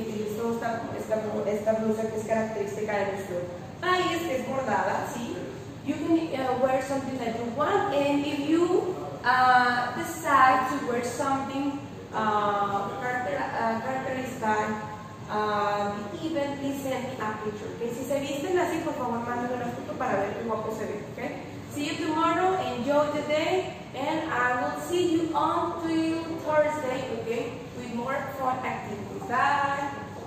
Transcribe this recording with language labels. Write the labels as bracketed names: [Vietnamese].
[Spanish] Utilizo esta blusa que es característica de nuestro país, que es bordada, ¿sí? [English] You can wear something that you want, and if you decide to wear something characteristic, even please send me a picture, okay? [Spanish] Si se visten así, por favor, mándenme una foto para ver qué guapo se ve, okay? [English] See you tomorrow, enjoy the day, and I will see you on Thursday, okay? With more fun activities. Bye!